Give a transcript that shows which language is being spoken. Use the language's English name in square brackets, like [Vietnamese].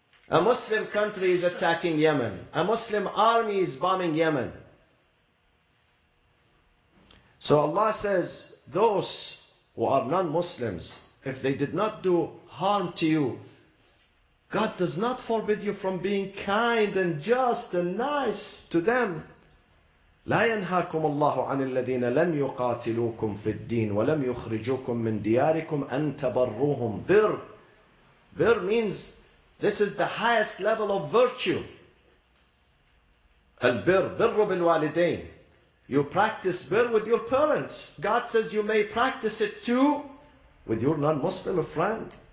[English] A Muslim country is attacking Yemen. A Muslim army is bombing Yemen. So Allah says, those who are non-Muslims, if they did not do harm to you, God does not forbid you from being kind and just and nice to them. [Arabic] لا ينهاكم الله عن الذين لم يقاتلوكم في الدين ولم يخرجوكم من دياركم أن تبروهم. [English] Bir means this is the highest level of virtue. Al-bir, [Arabic] birru bil-walidain. [English] You practice bir with your parents. God says you may practice it too with your non-Muslim friend.